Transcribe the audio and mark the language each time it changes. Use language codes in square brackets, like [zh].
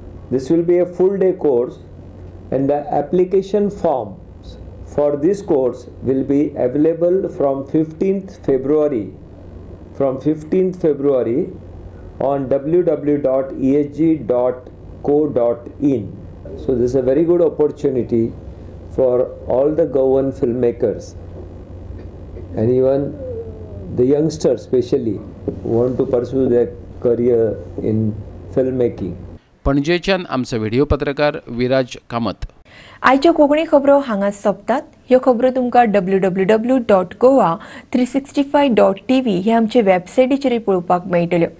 [en] This will be a full day course and the application forms for this course will be available from 15th February on www.esg.co.in. So this is a very good opportunity for all the Goan filmmakers and even the youngsters especially who want to pursue their career in filmmaking. [gom] पणजेच्यान आमचा video पत्रकार विराज कामत. आयच्यो कोंकणी खबरो हांगा सोंपतात. ह्यो खबरो तुमकां www.goa365.tv हे आमचे वेबसायटीचेरूय पळोवपाक मेळटल्यो.